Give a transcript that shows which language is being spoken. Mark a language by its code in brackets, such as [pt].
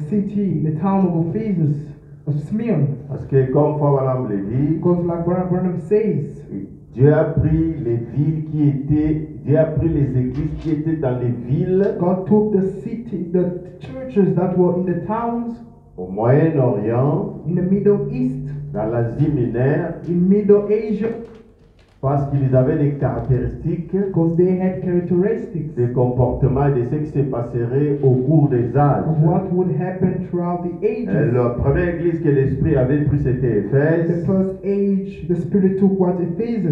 [en] the city, the town of Ephesus, of Smyrne. [fr] Parce que comme Frère Branham le dit, [en] because like Brother Branham says, [fr] Dieu a pris les villes qui étaient, Dieu a pris les églises qui étaient dans les villes. [en] God took the city, the churches that were in the towns. [fr] Au Moyen-Orient. [en] In the Middle East. [fr] Dans l'Asie mineure. [en] In Middle Asia. [fr] parce qu'ils avaient des caractéristiques, [en] because they had characteristics, [fr] des comportements, de ce qui se passerait au cours des âges. [en] What would happen throughout the ages? [fr] La première église que l'esprit avait pris c'était Éphèse. [en] The first age the spirit took was Ephesus.